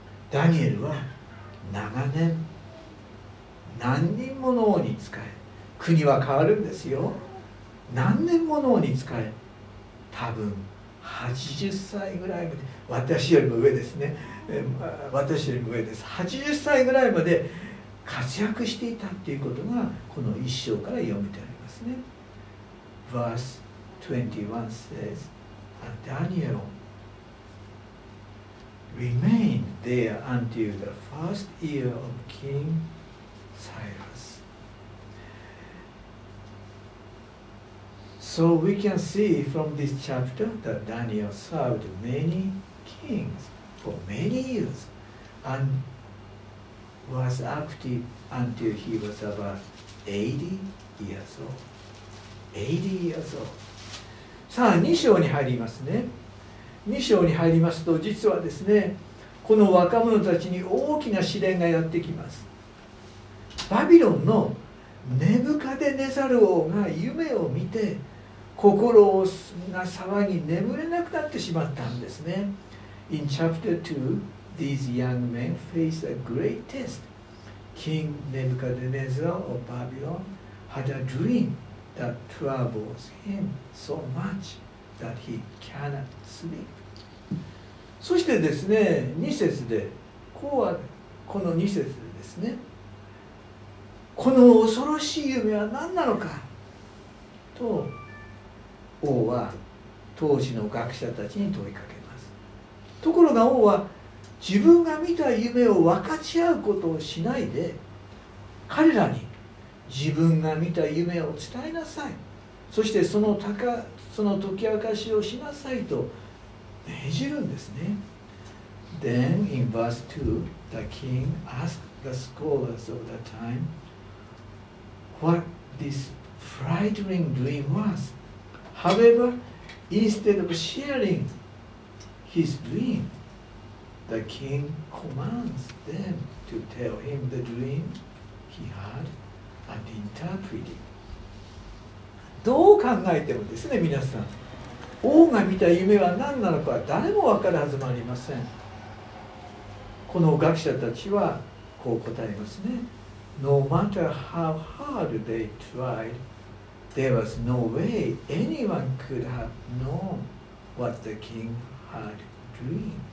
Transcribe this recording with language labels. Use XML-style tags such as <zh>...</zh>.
<ja>ダニエルは長年何人もの王に仕え、国は変わるんですよ、何年もの王に仕え、多分80歳ぐらいまで、私よりも上ですね、私よりも上です、80歳ぐらいまで活躍していたっていうことがこの一章から読めてありますね。</ja> <en>Verse 21 says And Daniel remained there until the first year of KingCyrus. So we can see from this chapter that Daniel served many kings for many years and was active until he was about 80 years old. 80 years old.</en> <ja>さあ、2章に入りますね。 2章に入りますと、実はですね、この若者たちに大きな試練がやってきます。バビロンのネブカデネザル王が夢を見て心が騒ぎ眠れなくなってしまったんですね。</ja> <en>In chapter 2 these young men face a great test. King Nebuchadnezzar of Babylon had a dream that troubles him so much that he cannot sleep.</en> <ja>そしてですね、2節でこうある、この2節でですね、この恐ろしい夢は何なのかと王は当時の学者たちに問いかけます。ところが王は自分が見た夢を分かち合うことをしないで、彼らに自分が見た夢を伝えなさい、そしてその解き明かしをしなさいと命じるんですね。</ja> <en>Then in verse 2 the king asked the scholars of the time what this frightening dream was. However, instead of sharing his dream, the king commands them to tell him the dream he had and interpreted.</en> <ja>どう考えてもですね、皆さん、王が見た夢は何なのか誰も分かるはずもありません。この学者たちはこう答えますね。</ja> <en>No matter how hard they tried, there was no way anyone could have known what the king had dreamed.</en>